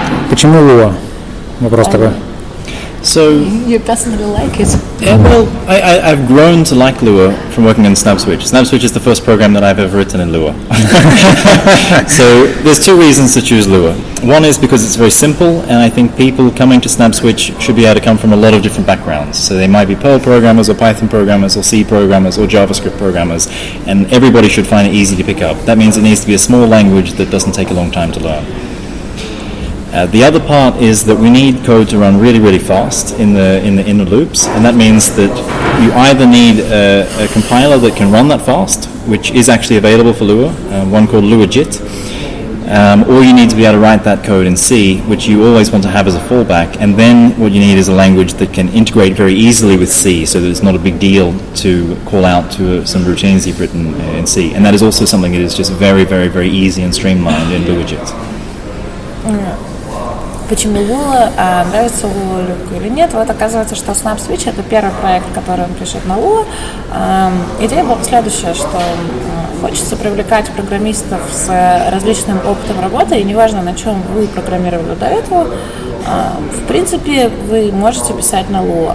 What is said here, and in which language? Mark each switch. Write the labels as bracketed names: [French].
[Russian] Почему Lua? Вопрос такой. [English] So you personally like it? Yeah, well, I've grown to like Lua from working in SnapSwitch. SnapSwitch is the first program that I've ever written in Lua. So there's two reasons to choose Lua. One is because it's very simple, and I think people coming to SnapSwitch should be able to come from a lot of different backgrounds. So they might be Perl programmers or Python programmers or C programmers or JavaScript programmers, and everybody should find it easy to pick up. That means it needs to be a small language that doesn't take a long time to learn. The other part is that we need code to run really, really fast in the inner loops, and that means that you either need a compiler that can run that fast, which is actually available for Lua, one called LuaJIT, or you need to be able to write that code in C, which you always want to have as a fallback, and then what you need is a language that can integrate very easily with C, so that it's not a big deal to call out to some routines you've written in C, and that is also something that is just very, very, very easy and streamlined in LuaJIT. [Russian] Почему Lua нравится Lua Люку или нет? Вот оказывается, что SnapSwitch это первый проект, который он пишет на Lua. Идея была следующая, что хочется привлекать программистов с различным опытом работы, и неважно, на чем вы программировали до этого, в принципе, вы можете писать на Lua.